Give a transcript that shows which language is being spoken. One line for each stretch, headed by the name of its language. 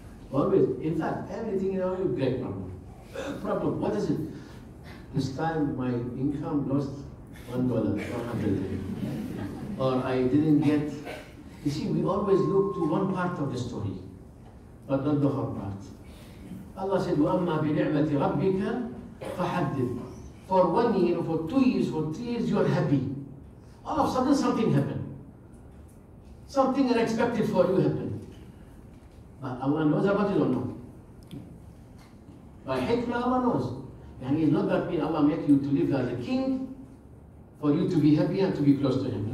English: Always, in fact, everything in our life, great problem. Problem, what is it? This time my income lost $1, $100. Or I didn't get. You see, we always look to one part of the story, but not the whole part. Allah said,
Arabic: وَأَمَّا بِنِعْمَةِ رَبِّكَ فَحَدِّثْ.
English: For 1 year, for 2 years, for 3 years, you are happy. All of a sudden, something happened. Something unexpected for you happened. But Allah knows about it or not? By hikmah, Allah knows. And it's not that mean Allah make you to live as a king for you to be happy and to be close to Him.